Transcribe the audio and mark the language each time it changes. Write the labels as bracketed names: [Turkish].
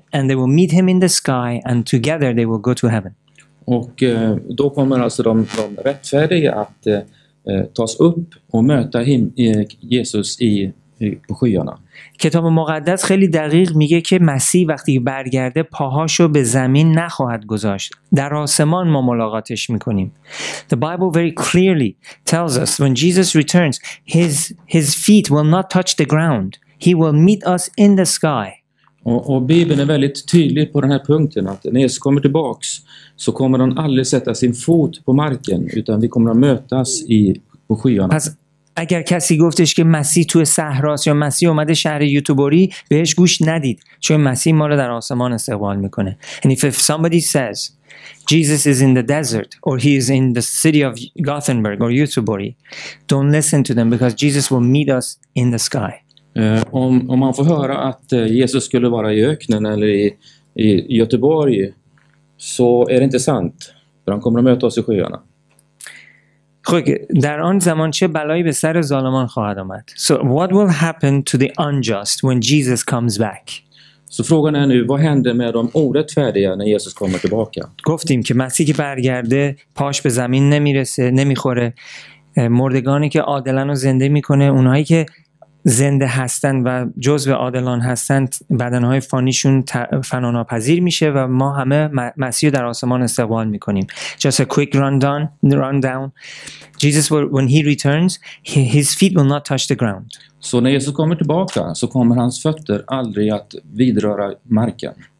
[English] and they will meet him in the sky and together they will go to heaven. [Swedish] Och då kommer alltså de rättfärdiga att tas upp och möta Jesus på skyarna. [Persian] کتاب مقدس خیلی دقیق میگه که مسیح وقتی برگرده پاهاشو به زمین نخواهد گذاشت. در آسمان ما ملاقاتش میکنیم. [English] The Bible very clearly tells us when Jesus returns, his feet will not touch the ground. He will meet us in the sky. [Swedish] Och Bibeln är väldigt tydlig på den här punkten att när Jesus kommer tillbaks så kommer han aldrig sätta sin fot på marken utan vi kommer att mötas på skyarna. [Persian] اگر کسی گفتش که مسیح توی صحراست یا مسیح اومده شهر یوتوبوری بهش گوش ندید چون مسیح ما رو در آسمان استقبال میکنه. [English] And if somebody says Jesus is in the desert or he is in the city of Gothenburg or Youtubori, don't listen to them because Jesus will meet us in the sky. [Swedish] Om man får höra att Jesus skulle vara i öknen eller i Göteborg så är det inte sant för han kommer att möta oss i sjöarna. [Persian] خب در آن زمان چه بلایی به سر ظالمان خواهد آمد. [English] So what will happen to the unjust when Jesus comes back? [Swedish] Så frågan är nu vad händer med de orättfärdiga när Jesus kommer tillbaka? [Persian] گفتیم که مسیح برگرده پاش به زمین نمیرسه نمیخوره مردگانی که عادلان رو زنده میکنه اونایی که زنده هستن و جزء عادلان هستن بدنهای فانیشون فنا ناپذیر میشه و ما همه مسیح در آسمان استقبال میکنیم. [English] Just a quick rundown. Jesus, when he returns, his feet will not touch the ground. [Swedish] Så när Jesus kommer tillbaka så kommer hans fötter aldrig att vidröra marken.